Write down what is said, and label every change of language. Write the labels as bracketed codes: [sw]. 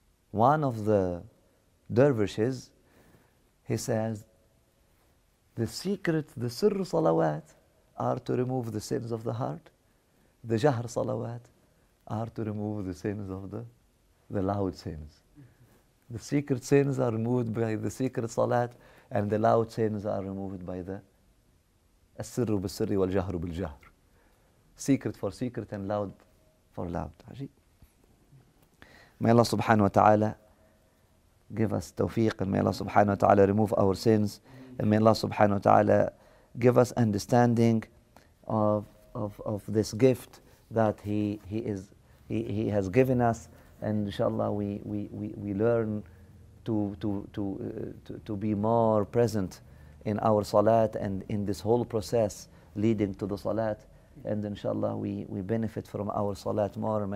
[en] One of the dervishes, he says, the secret, the sirr salawat, are to remove the sins of the heart. The jahr salawat are to remove the sins of the loud sins. The secret sins are removed by the secret salat, and the loud sins are removed by the [ar] السر بالسر والجهر بالجهر. [en] Secret for secret and loud for loud. May Allah subhanahu wa ta'ala give us tawfiq, and may Allah subhanahu wa ta'ala remove our sins, and may Allah subhanahu wa ta'ala give us understanding of this gift that he has given us, and inshallah we learn to be more present in our salat and in this whole process leading to the salat, and inshallah we benefit from our salat more.